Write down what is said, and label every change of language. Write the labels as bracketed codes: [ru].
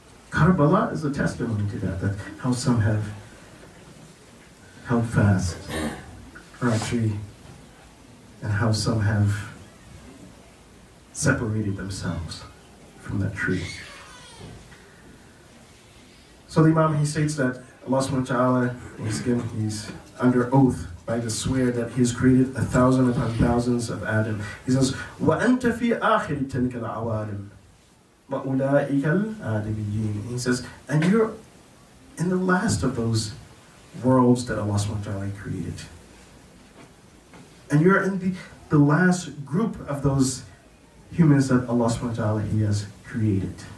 [en] Karbala is a testimony to that, that how some have held fast, actually, and how some have separated themselves from that tree. So the Imam, he states that Allah subhanahu wa ta'ala, once again, he's under oath by the swear that he has created a thousand upon thousands of Adam. He says, [ar] وَأَنْتَ فِي آخِرِ تَلْكَ الْعَوَالِمِ وَأُولَٰئِكَ الْآدَمِيِّينَ. [en] He says, and you're in the last of those worlds that Allah subhanahu wa ta'ala created. And you're in the last group of those humans that Allah subhanahu wa ta'ala He has created.